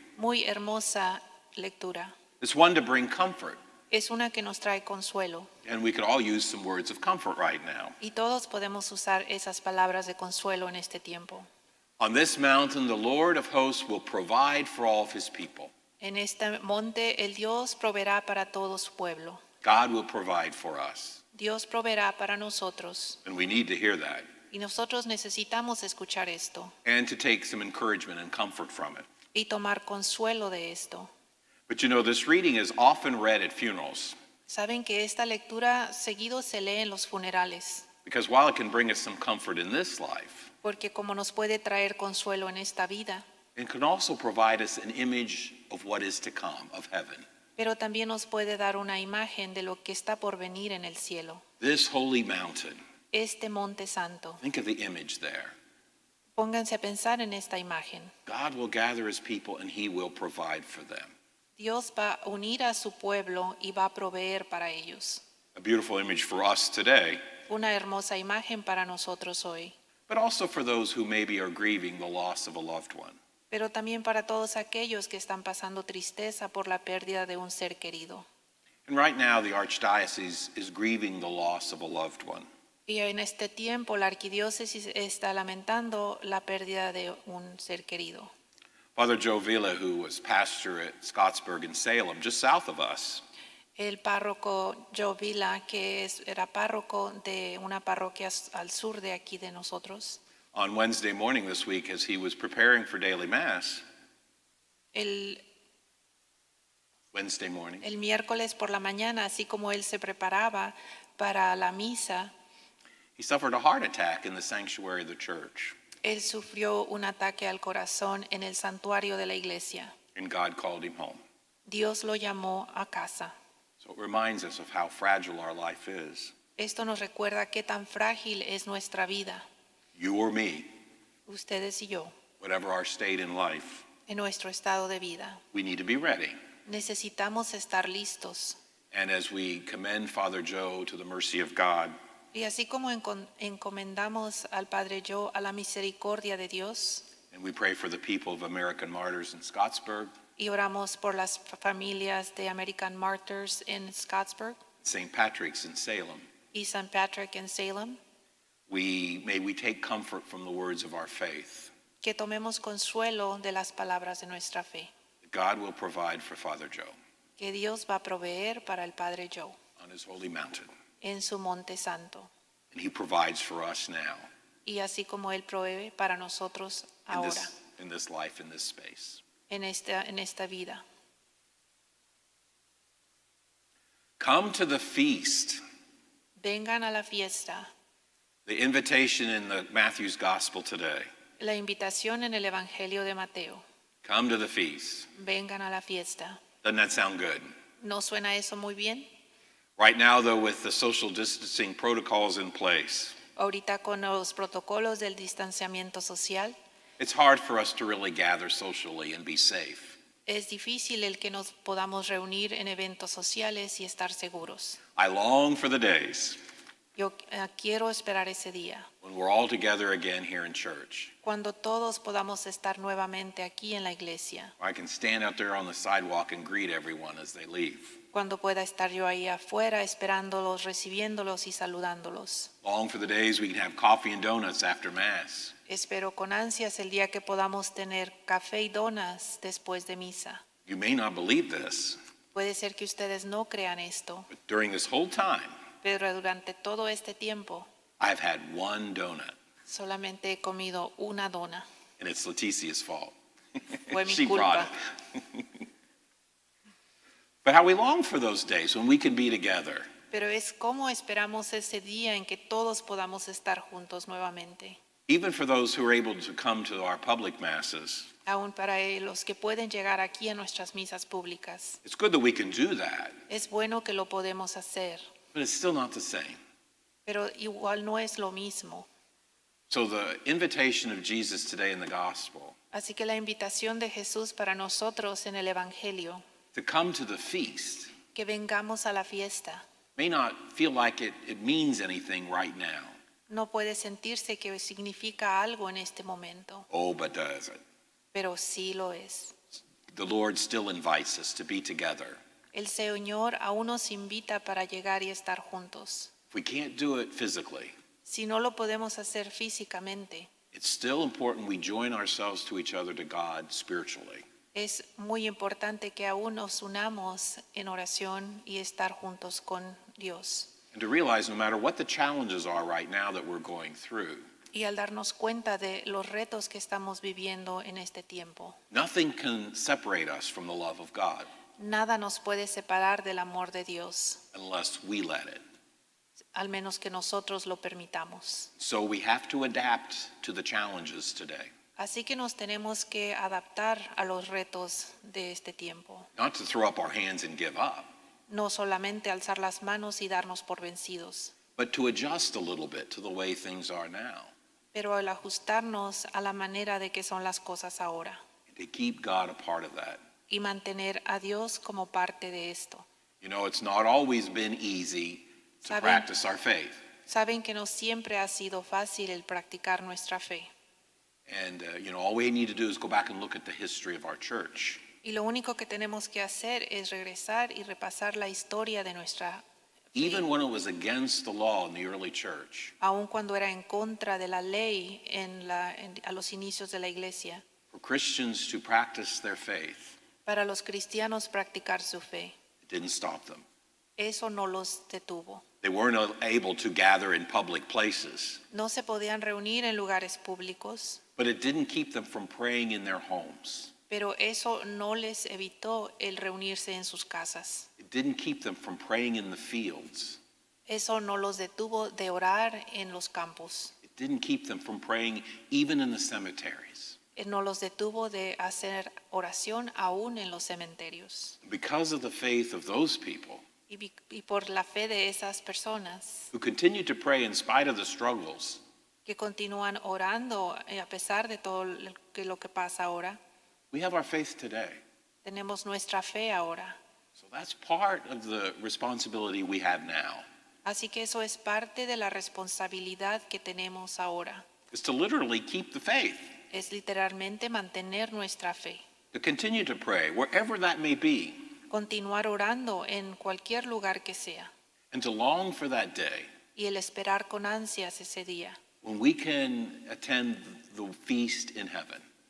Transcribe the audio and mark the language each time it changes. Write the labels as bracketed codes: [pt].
[es] Muy hermosa lectura. [en] It's one to bring comfort. [es] Es una que nos trae consuelo. [en] And we could all use some words of comfort right now. [es] Y todos podemos usar esas palabras de consuelo en este tiempo. [en] On this mountain, the Lord of hosts will provide for all of his people. [es] En este monte, el Dios proveerá para todo su pueblo. [en] God will provide for us. [es] Dios proveerá para nosotros. [en] And we need to hear that. [es] Y nosotros necesitamos escuchar esto. [en] And to take some encouragement and comfort from it. [es] Y tomar consuelo de esto. [en] But you know, this reading is often read at funerals. [es] Saben que esta lectura seguido se lee en los funerales. [en] Because while it can bring us some comfort in this life, [es] porque como nos puede traer consuelo en esta vida, [en] it can also provide us an image of what is to come, of heaven. [es] Pero también nos puede dar una imagen de lo que está por venir en el cielo. [en] This holy mountain. [es] Este monte santo. [en] Think of the image there. [es] Pónganse a pensar en esta imagen. [en] God will gather his people and he will provide for them. [es] Dios va a unir a su pueblo y va a proveer para ellos. [en] A beautiful image for us today. [es] Una hermosa imagen para nosotros hoy. [en] But also for those who maybe are grieving the loss of a loved one. [es] Pero también para todos aquellos que están pasando tristeza por la pérdida de un ser querido. [en] And right now the archdiocese is grieving the loss of a loved one. [es] Y en este tiempo la arquidiócesis está lamentando la pérdida de un ser querido. [en] Father Joe Vila, who was pastor at Scottsburg in Salem, just south of us. [es] El párroco Joe Vila, que era párroco de una parroquia al sur de aquí de nosotros. [en] On Wednesday morning this week, as he was preparing for daily mass, Wednesday morning, [es] el miércoles por la mañana, así como él se preparaba para la misa, [en] he suffered a heart attack in the sanctuary of the church. [es] Él sufrió un ataque al corazón en el santuario de la iglesia. [en] And God called him home. [es] Dios lo llamó a casa. [en] So it reminds us of how fragile our life is. [es] Esto nos recuerda qué tan frágil es nuestra vida. [en] You or me, [es] ustedes y yo, [en] whatever our state in life, [es] en nuestro estado de vida, [en] we need to be ready. [es] Necesitamos estar listos. [en] And as we commend Father Joe to the mercy of God, [es] y así como encomendamos al Padre Joe a la misericordia de Dios, [en] and we pray for the people of American Martyrs in Scottsburg, [es] y oramos por las familias de American Martyrs in Scottsburg, [en] St. Patrick's in Salem, [es] y St. Patrick in Salem, [en] May we take comfort from the words of our faith. [es] Que tomemos consuelo de las palabras de nuestra fe. [en] God will provide for Father Joe. [es] Que Dios va a proveer para el Padre Joe. [en] On his holy mountain. [es] En su monte santo. [en] And he provides for us now. [es] Y así como él provee para nosotros ahora. [en] In this life, in this space. [es] En esta vida. [en] Come to the feast. [es] Vengan a la fiesta. [en] The invitation in the Matthew's Gospel today. [es] La invitación en el Evangelio de Mateo. [en] Come to the feast. [es] Vengan a la fiesta. [en] Doesn't that sound good? [es] ¿No suena eso muy bien? [en] Right now, though, with the social distancing protocols in place. [es] Ahorita con los protocolos del distanciamiento social. [en] It's hard for us to really gather socially and be safe. [es] Es difícil el que nos podamos reunir en eventos sociales y estar seguros. [en] I long for the days. [es] Yo quiero esperar ese día. [en] When we're all together again here in church. [es] Cuando todos podamos estar nuevamente aquí en la iglesia. [en] I can stand out there on the sidewalk and greet everyone as they leave. [es] Cuando pueda estar yo ahí afuera esperándolos, recibiéndolos y saludándolos. [en] Long for the days we can have coffee and donuts after mass. [es] Espero con ansias el día que podamos tener café y donas después de misa. [en] You may not believe this. [es] Puede ser que ustedes no crean esto. [en] But during this whole time, [es] pero durante todo este tiempo, [en] I've had one donut. [es] Solamente he comido una dona. [en] And it's Leticia's fault. [es] Fue mi [en] She [es] culpa. [en] Brought it. But how we long for those days when we can be together. [es] Pero es como esperamos ese día en que todos podamos estar juntos nuevamente. [en] Even for those who are able to come to our public masses. [es] Aún para los que pueden llegar aquí a nuestras misas públicas. [en] It's good that we can do that. [es] Es bueno que lo podemos hacer. [en] But it's still not the same. [es] Pero igual no es lo mismo. [en] So the invitation of Jesus today in the gospel. [es] Así que la invitación de Jesús para nosotros en el Evangelio, [en] to come to the feast, [es] que vengamos a la fiesta, [en] may not feel like it means anything right now. [es] No puede sentirse que significa algo en este momento. [en] Oh, but does it? [es] Pero sí lo es. [en] The Lord still invites us to be together. [es] El Señor aún nos invita para llegar y estar juntos. [en] If we can't do it physically, [es] si no lo podemos hacer físicamente, [en] it's still important we join ourselves to each other, to God spiritually. [es] Es muy importante que aún nos unamos en oración y estar juntos con Dios. [en] And to realize, no matter what the challenges are right now that we're going through, [es] y al darnos cuenta de los retos que estamos viviendo en este tiempo, [en] nothing can separate us from the love of God. [es] Nada nos puede separar del amor de Dios. [en] Unless we let it. [es] Al menos que nosotros lo permitamos. [en] So we have to adapt to the challenges today. [es] Así que nos tenemos que adaptar a los retos de este tiempo. [en] Not to throw up our hands and give up. [es] No solamente alzar las manos y darnos por vencidos. [en] But to adjust a little bit to the way things are now. [es] Pero al ajustarnos a la manera de que son las cosas ahora. [en] And to keep God a part of that. [es] Y mantener a Dios como parte de esto. [en] You know, it's not always been easy to practice our faith. [es] Saben que no siempre ha sido fácil el practicar nuestra fe. [en] And, you know, all we need to do is go back and look at the history of our church. [es] Y lo único que tenemos que hacer es regresar y repasar la historia de nuestra fe. [en] Even when it was against the law in the early church. [es] Aun cuando era en contra de la ley a los inicios de la iglesia. [en] For Christians to practice their faith. [es] Para los cristianos practicar su fe. [en] It didn't stop them. [es] Eso no los detuvo. [en] They weren't able to gather in public places. [es] No se podían reunir en lugares públicos. [en] But it didn't keep them from praying in their homes. [es] Pero eso no les evitó el reunirse en sus casas. [en] It didn't keep them from praying in the fields. [es] Eso no los detuvo de orar en los campos. [en] It didn't keep them from praying even in the cemeteries. [es] No los detuvo de hacer oración aún en los cementerios. [en] Because of the faith of those people, [es] y por la fe de esas personas, [en] who continued to pray in spite of the struggles, [es] que continúan orando a pesar de todo lo que pasa ahora, [en] we have our faith today. [es] Tenemos nuestra fe ahora. [en] So that's part of the responsibility we have now. [es] Así que eso es parte de la responsabilidad que tenemos ahora. [en] Is to literally keep the faith. [es] Es literalmente mantener nuestra fe. [en] To continue to pray, wherever that may be. [es] Continuar orando en cualquier lugar que sea. [en] And to long for that day. [es] Y el esperar con ansias ese día. [en] When we can attend the feast in heaven.